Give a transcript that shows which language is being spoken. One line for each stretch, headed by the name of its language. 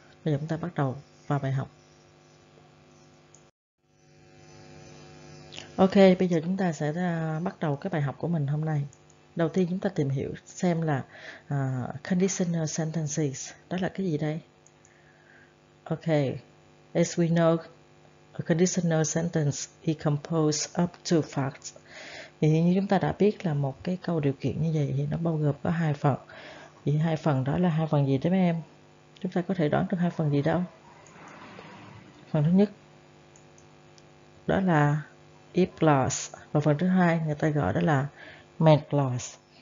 Vietnamese: Bây giờ chúng ta bắt đầu vào bài học. Ok, bây giờ chúng ta sẽ bắt đầu cái bài học của mình hôm nay. Đầu tiên chúng ta tìm hiểu xem là conditional sentences đó là cái gì đây.
English: Ok, as we know, a conditional sentence is composed of two parts.
Vietnamese: Thì như chúng ta đã biết là một cái câu điều kiện như vậy thì nó bao gồm có hai phần. Thì hai phần đó là hai phần gì đấy mấy em? Chúng ta có thể đoán được hai phần gì đâu? Phần thứ nhất đó là if clause và phần thứ hai người ta gọi đó là main clause.